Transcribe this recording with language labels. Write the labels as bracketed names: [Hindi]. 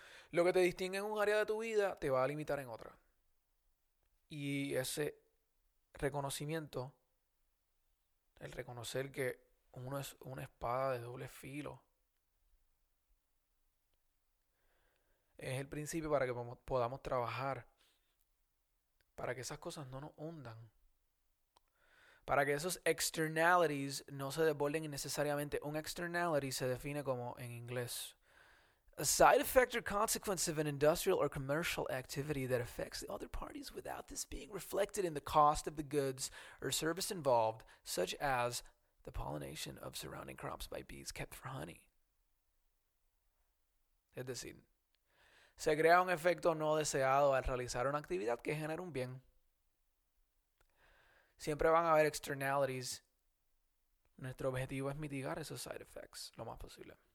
[Spanish] Lo que te distingue en un área de tu vida te va a limitar en otra. Y ese reconocimiento, el reconocer que uno es una espada de doble filo, es el principio para que podamos trabajar, para que esas cosas no nos hundan, para que esos externalities no se desborden innecesariamente. Un externality se define como, en inglés, [English] a side effect or consequence of an industrial or commercial activity that affects the other parties without this being reflected in the cost of the goods or service involved, such as the pollination of surrounding crops by bees kept for honey. [Spanish] Es decir, se crea un efecto no deseado al realizar una actividad que genera un bien. Siempre van a haber externalities. Nuestro objetivo es mitigar esos [English] side effects [Spanish] lo más posible.